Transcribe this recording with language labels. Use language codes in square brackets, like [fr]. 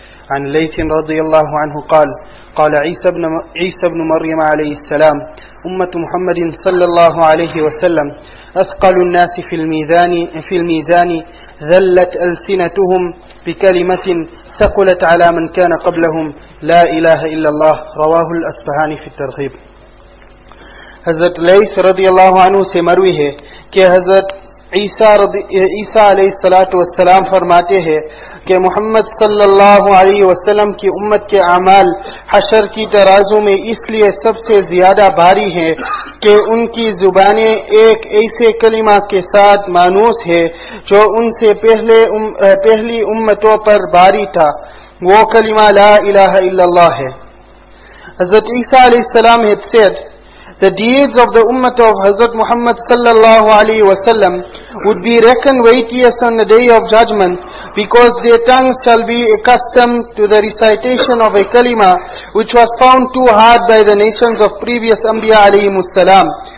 [ar] عن ليث رضي الله عنه قال قال عيسى بن مريم عليه السلام أمة محمد صلى الله عليه وسلم أثقل الناس في الميزان ذلت ألسنتهم بكلمة ثقلت على من كان قبلهم لا إله إلا الله رواه الأصفهاني في الترغيب. [ur] حضرت ليث رضي الله عنه سے مروی ہے کہ حضرت عیسیٰ علیہ الصلوۃ والسلام فرماتے ہیں کہ محمد صلی اللہ علیہ وسلم کی امت کے اعمال حشر کی ترازو میں اس لیے سب سے زیادہ بھاری ہیں کہ ان کی زبانیں ایک ایسے کلمہ کے ساتھ مانوس ہے جو ان سے پہلی امتوں پر بھاری تھا، وہ کلمہ لا الہ الا اللہ ہے. [en] حضرت عیسیٰ علیہ السلام had said, the deeds of the ummah of Hazrat Muhammad sallallahu alaihi wasallam would be reckoned weightiest on the day of judgment, because their tongues shall be accustomed to the recitation of a kalima which was found too hard by the nations of previous anbiya alayhi salam.